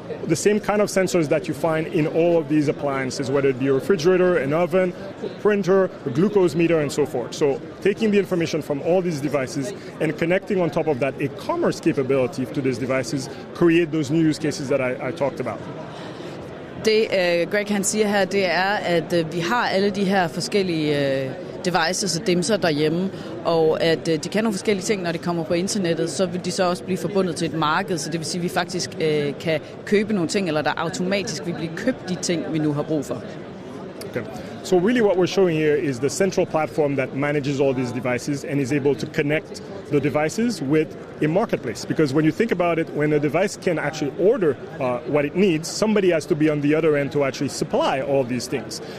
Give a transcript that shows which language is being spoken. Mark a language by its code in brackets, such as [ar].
[en] The same kind of sensors that you find in all of these appliances, whether it be a refrigerator, an oven, a printer, a glucose meter, and so forth. So taking the information from all these devices and connecting on top of that a commerce capability to these devices create those new use cases that I talked about. [da] Det Greg han siger her, det er, at vi har alle de her forskellige devices og dimser derhjemme, og at de kan nogle forskellige ting, når de kommer på internettet, så vil de så også blive forbundet til et marked, så det vil sige, at vi faktisk kan købe nogle ting, eller der automatisk vil blive købt de ting, vi nu har brug for. [en] Okay. So really what we're showing here is the central platform that manages all these devices and is able to connect the devices with a marketplace. Because when you think about it, when a device can actually order what it needs, somebody has to be on the other end to actually supply all these things.